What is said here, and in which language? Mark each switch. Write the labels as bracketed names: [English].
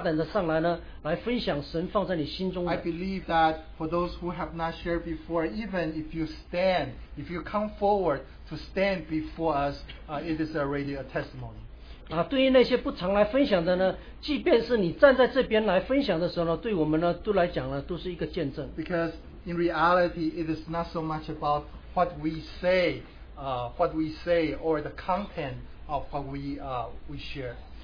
[Chinese] 对于那些不常分享的呢，如果圣灵在你里面呢有做催促的工作呢，请你能够大胆的上来呢，来分享神放在你心中的。 [English] I believe that for those who have not shared before, even if you stand, if you come forward to stand before us, it is already a testimony. [Chinese] 对于那些不常来分享的呢，即便是你站在这边来分享的时候呢，对我们呢都来讲呢，都是一个见证。 [English] Because in reality, it is not so much about what we say or the content of what we share.